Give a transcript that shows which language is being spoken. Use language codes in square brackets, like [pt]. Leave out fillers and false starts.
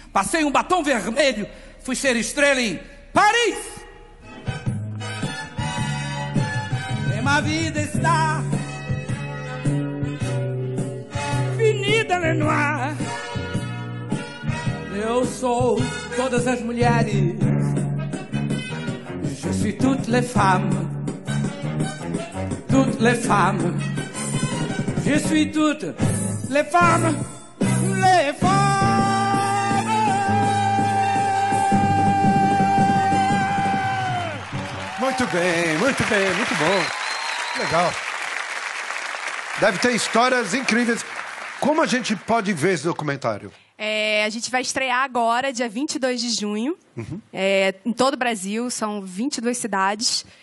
[pt] Passei um batom vermelho, fui ser estrela em Paris. É uma vida está finida, Lenoir. Eu sou todas as mulheres. [fr] Je suis toutes les femmes, je suis toutes les femmes, les femmes. [pt] Muito bem, muito bem, muito bom. Legal. Deve ter histórias incríveis. Como a gente pode ver esse documentário? A gente vai estrear agora, dia 22 de junho, em todo o Brasil, são 22 cidades.